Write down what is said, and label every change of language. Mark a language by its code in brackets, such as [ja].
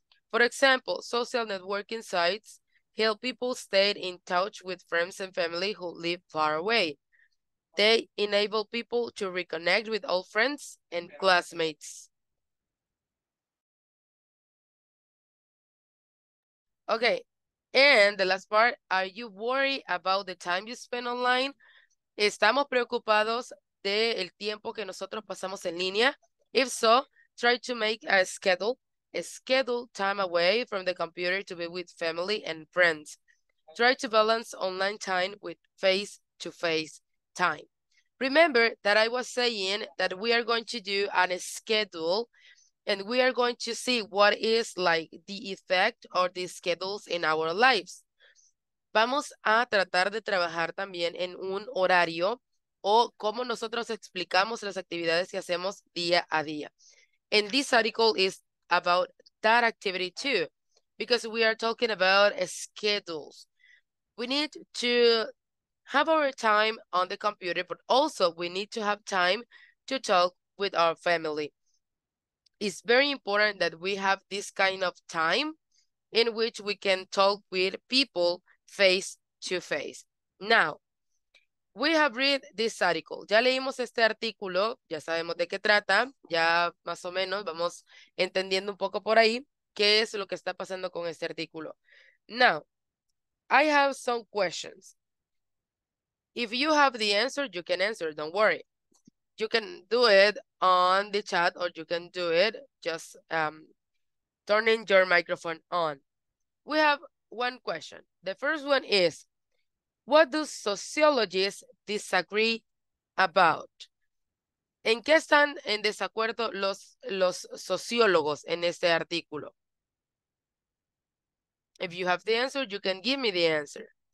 [en] For example, social networking sites help people stay in touch with friends and family who live far away. They enable people to reconnect with old friends and classmates. Okay, and the last part, are you worried about the time you spend online? [es] ¿Estamos preocupados del tiempo que nosotros pasamos en línea? [en] If so, try to make a schedule. Schedule time away from the computer to be with family and friends. Try to balance online time with face-to-face time. Remember that I was saying that we are going to do a schedule and we are going to see what is like the effect of these schedules in our lives. [es] Vamos a tratar de trabajar también en un horario o cómo nosotros explicamos las actividades que hacemos día a día. [en] And this article is about that activity too, because we are talking about schedules. We need to have our time on the computer, but also we need to have time to talk with our family. It's very important that we have this kind of time in which we can talk with people face to face. Now, we have read this article. [es] Ya leímos este artículo, ya sabemos de qué trata, ya más o menos vamos entendiendo un poco por ahí qué es lo que está pasando con este artículo. [en] Now, I have some questions. If you have the answer, you can answer, don't worry. You can do it on the chat or you can do it just turning your microphone on. We have one question. The first one is, what do sociologists disagree about? [es] ¿En qué están en desacuerdo los sociólogos en este artículo? [en] If you have the answer, you can give me the answer.